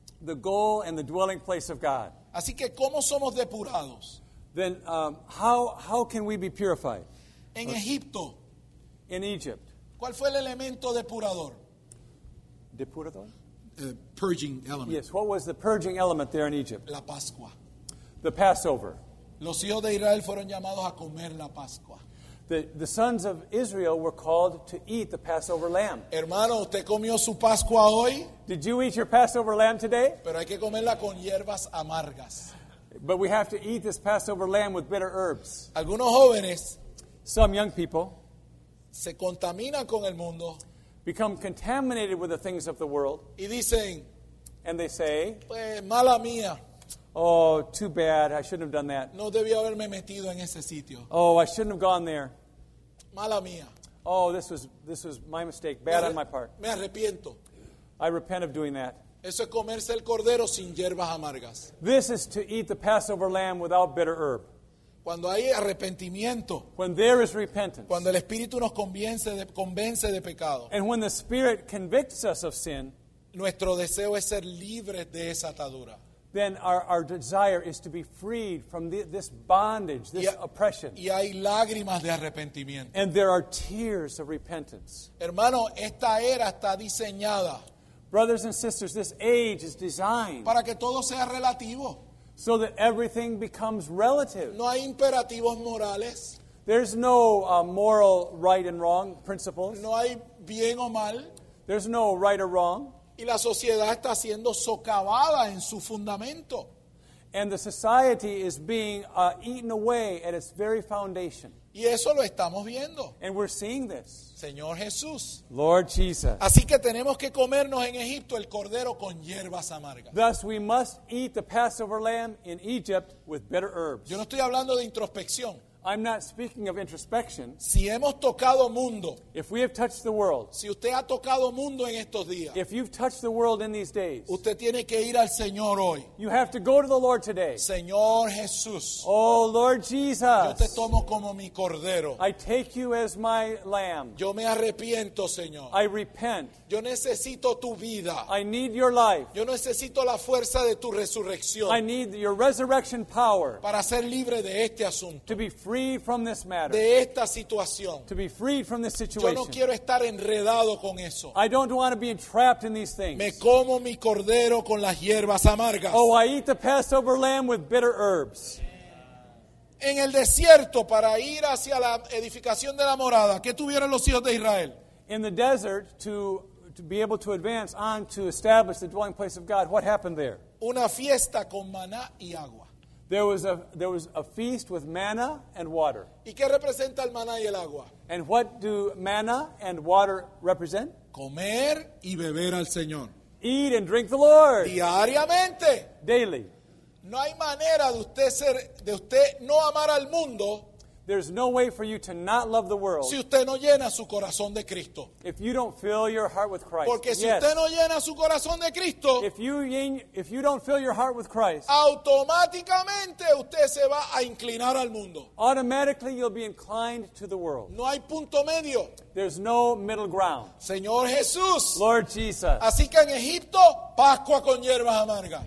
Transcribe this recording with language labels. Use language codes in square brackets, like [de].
[en] The goal and the dwelling place of God. [es] Así que, ¿cómo somos depurados? [en] Then how can we be purified? [es] En Egipto. [en] In Egypt. [es] ¿Cuál fue el elemento depurador? Depurador? [en] Purging element. Yes, what was the purging element there in Egypt? [es] La Pascua. [en] The Passover. [es] Los hijos de Israel fueron llamados a comer la Pascua. [en] The sons of Israel were called to eat the Passover lamb. [es] Hermano, ¿usted comió su Pascua hoy? [en] Did you eat your Passover lamb today? [es] Pero hay que comerla con hierbas amargas. [en] But we have to eat this Passover lamb with bitter herbs. [es] Algunos jóvenes, [en] some young people, [es] se contaminan con el mundo, [en] become contaminated with the things of the world, [es] y dicen, [en] And they say, [es] pues, mala mía. [en] Oh, too bad. I shouldn't have done that. [es] No debí haberme metido en ese sitio. [en] Oh, I shouldn't have gone there. [es] Mala mía. [en] Oh, this was my mistake. Bad on my part. [es] Me arrepiento. [en] I repent of doing that. [es] Eso es comerse el cordero sin hierbas amargas. [en] This is to eat the Passover lamb without bitter herb. [es] Cuando hay arrepentimiento. [en] When there is repentance. [es] Cuando el Espíritu nos convence de pecado. [en] And when the Spirit convicts us of sin. [es] Nuestro deseo es ser libres de esa atadura. [en] Then our desire is to be freed from this bondage, this oppression. [es] Y hay lágrimas de arrepentimiento. [en] And there are tears of repentance. [es] Hermano, esta era está diseñada. [en] Brothers and sisters, this age is designed. [es] Para que todo sea relativo. [en] So that everything becomes relative. [es] No hay imperativos morales. [en] There's no moral right and wrong principles. [es] No hay bien o mal. [en] There's no right or wrong. [es] Y la sociedad está siendo socavada en su fundamento. [en] And the society is being eaten away at its very foundation. [es] Y eso lo estamos viendo. [en] And we're seeing this. [es] Señor Jesús. [en] Lord Jesus. [es] Así que tenemos que comernos en Egipto el cordero con hierbas amargas. [en] Thus we must eat the Passover lamb in Egypt with bitter herbs. [es] Yo no estoy hablando de introspección. [en] I'm not speaking of introspection. [es] Si hemos tocado mundo. [en] If we have touched the world. [es] Si usted ha tocado mundo en estos días. [en] If you've touched the world in these days. [es] Usted tiene que ir al Señor hoy. [en] You have to go to the Lord today. [es] Señor Jesús. [en] Oh, Lord Jesus. [es] Yo te tomo como mi cordero. [en] I take you as my lamb. [es] Yo me arrepiento, Señor. [en] I repent. [es] Yo necesito tu vida. [en] I need your life. [es] Yo necesito la fuerza de tu resurrección. [en] I need your resurrection power. [es] Para ser libre de este asunto. [en] To be free. Free from this matter. [es] De esta situación. [en] To be free from this situation. [es] Yo no quiero estar enredado con eso. [en] I don't want to be entrapped in these things. [es] Me como mi cordero con las hierbas amargas. [en] Oh, I eat the Passover lamb with bitter herbs. [es] En el desierto para ir hacia la edificación de la morada, ¿qué tuvieron los hijos de Israel? [en] In the desert to be able to advance on to establish the dwelling place of God, what happened there? [es] Una fiesta con maná y agua. [en] There was a feast with manna and water. [es] ¿Y qué representa el maná y el agua? [en] And what do manna and water represent? [es] Comer y beber al Señor. [en] Eat and drink the Lord. [es] Diariamente. [en] Daily. [es] No hay manera de usted no amar al mundo. [en] There's no way for you to not love the world. [es] Si usted no llena su corazón de Cristo. [en] If you don't fill your heart with Christ. [es] Porque si usted no llena su corazón de Cristo. [en] If you don't fill your heart with Christ. [es] Automáticamente usted se va a inclinar al mundo. [en] Automatically you'll be inclined to the world. [es] No hay punto medio. [en] There's no middle ground. [es] Señor Jesús. [en] Lord Jesus. [es] Así que en Egipto, Pascua con hierbas amargas.